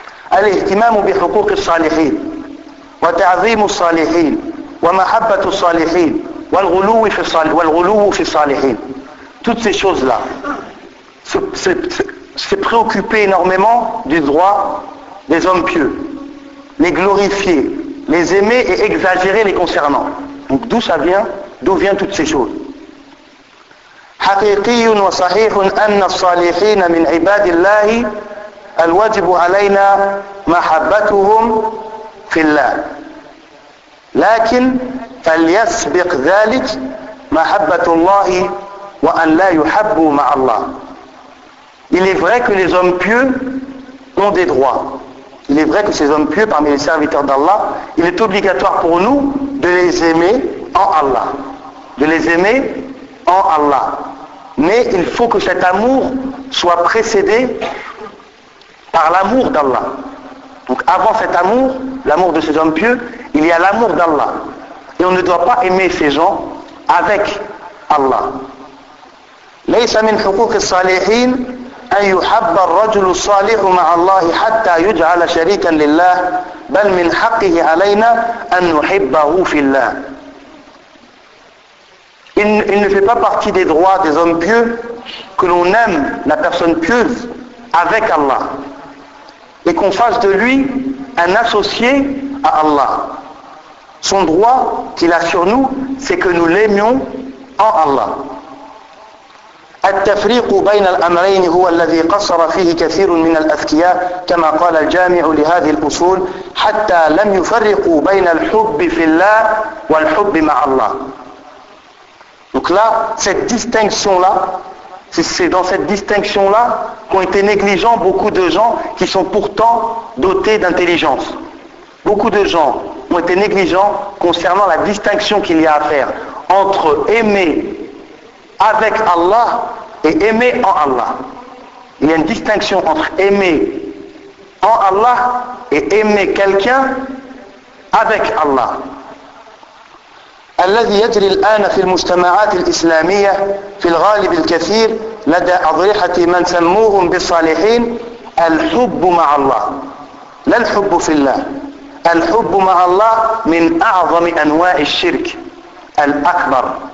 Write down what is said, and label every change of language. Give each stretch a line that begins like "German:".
Arabic: Al-ihtimamu bi huquqi as-salihin wa ta'zimu as-salihin wa mahabbatu as-salihin والغلو في الصالحين.
French: Toutes ces choses-là, se préoccuper énormément du droit des hommes pieux, les glorifier, les aimer et exagérer les concernant. Donc d'où ça vient? D'où viennent toutes ces choses?
Arabic: حقيقي وصحيح أن الصالحين من عباد الله الواجب علينا محبتهم في الله. لكن فليسبق ذلك محبة الله وأن لا يحبوا مع الله.
French: Il est vrai que les hommes pieux ont des droits. Il est vrai que ces hommes pieux parmi les serviteurs d'Allah, il est obligatoire pour nous de les aimer en Allah. De les aimer en Allah. Mais il faut que cet amour soit précédé par l'amour d'Allah. Donc avant cet amour, l'amour de ces hommes pieux, il y a l'amour d'Allah. Et on ne doit pas aimer ces gens avec Allah.
Arabic: ليس من حقوق الصالحين أن يحب الرجل الصالح مع الله حتى يجعل شريكا لله بل من حقه علينا أن نحبه في الله.
French: Il ne fait pas partie des droits des hommes pieux que l'on aime la personne pieuse avec Allah et qu'on fasse de lui un associé à Allah. Son droit qu'il a sur nous, c'est que nous l'aimions en Allah.
Arabic: التفريق بين الأمرين هو الذي قصر فيه كثير من الأذكياء كما قال الجامع لهذه الأصول حتى لم يفرقوا بين الحب في الله والحب مع الله.
French: Donc là, cette distinction-là, c'est dans cette distinction-là qu'ont été négligents beaucoup de gens qui sont pourtant dotés d'intelligence. Beaucoup de gens ont été négligents concernant la distinction qu'il y a à faire entre aimer avec Allah et aimer en Allah. Il y a une distinction entre aimer en Allah et aimer quelqu'un avec Allah.
Arabic: الذي يجري الآن في المجتمعات الإسلامية في الغالب الكثير لدى أضرحة من سموهم بالصالحين الحب مع الله لا الحب في الله. الحب مع الله من أعظم أنواع الشرك الأكبر.